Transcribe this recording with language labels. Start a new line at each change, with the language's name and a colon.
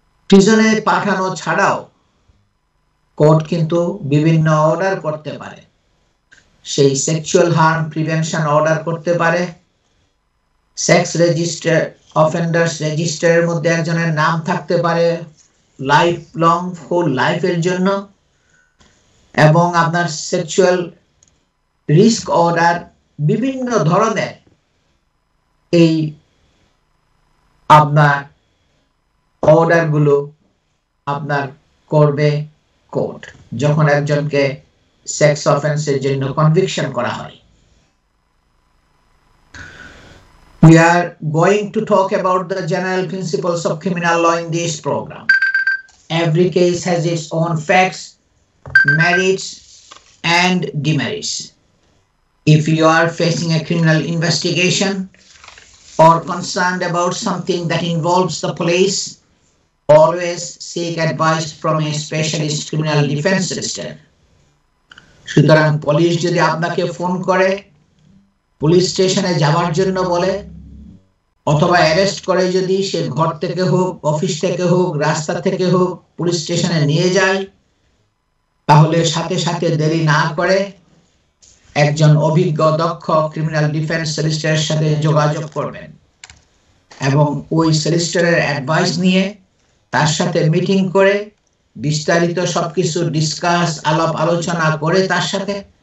Bangla: প্রিজনে পাঠানো ছাড়াও কোর্ট কিন্তু বিভিন্ন অর্ডার করতে পারে, সেই সেক্সুয়াল হার্ম প্রিভেনশন অর্ডার করতে পারে, সেক্স রেজিস্টার অফেন্ডার্স রেজিস্টারের মধ্যে একজনের নাম থাকতে পারে লাইফ লং ফোর লাইফের জন্য, এবং আপনার সেক্সুয়াল রিস্ক অর্ডার বিভিন্ন ধরনের এই আপনার অর্ডারগুলো আপনার করবে কোর্ট যখন একজনকে সেক্স অফেন্সের জন্য কনভিকশন করা হয়।
English: We are going to talk about the general principles of criminal law in this program. Every case has its own facts, merits, and demerits. If you are facing a criminal investigation or concerned about something that involves the police, always seek advice from a specialist criminal defense solicitor.
Bangla: Sutaram, police jodi apnake phone kore, police station e jawar jonno bole, অথবা arrest করে যদি, সে ঘর থেকে হোক, office থেকে হোক, রাস্তা থেকে হোক, পুলিশ স্টেশনে নিয়ে যায়, তাহলে সাথে সাথে দেরি না করে একজন অভিজ্ঞ দক্ষ ক্রিমিনাল ডিফেন্স সলিসিটরের সাথে যোগাযোগ করবেন, এবং ওই সলিসিটরের অ্যাডভাইস নিয়ে তার সাথে মিটিং করে বিস্তারিত সব কিছু ডিসকাস আলাপ আলোচনা করে তার সাথে